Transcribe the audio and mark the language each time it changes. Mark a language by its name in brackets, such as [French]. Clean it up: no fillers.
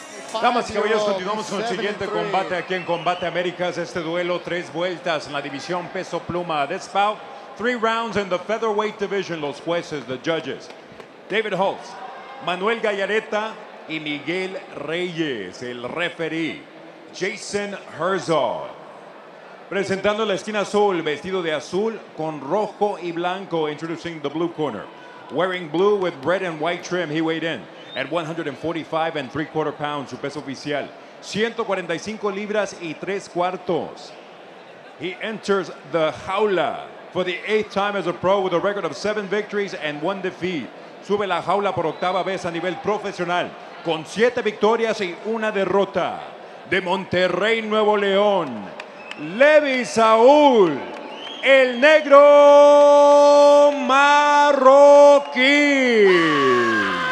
[Spanish] Damas y caballeros, continuamos con el siguiente combate aquí en Combate Americas. Este duelo, tres vueltas en la división peso pluma. [English] This bout, three rounds in the featherweight division. [Spanish] Los jueces, [English] the judges, [Spanish] David Holtz, Manuel Gallareta y Miguel Reyes. El referee, Jason Herzog. Presentando la esquina azul, vestido de azul con rojo y blanco. [English] Introducing the blue corner, wearing blue with red and white trim. He weighed in at 145¾ pounds, [Spanish] su peso oficial, 145 libras y tres cuartos. [English] He enters the Jaula for the eighth time as a pro with a record of 7 victories and 1 defeat. [Spanish] Sube la Jaula por octava vez a nivel profesional con 7 victorias y 1 derrota. De Monterrey, Nuevo León, Levy Saul, el Negro Marroquín.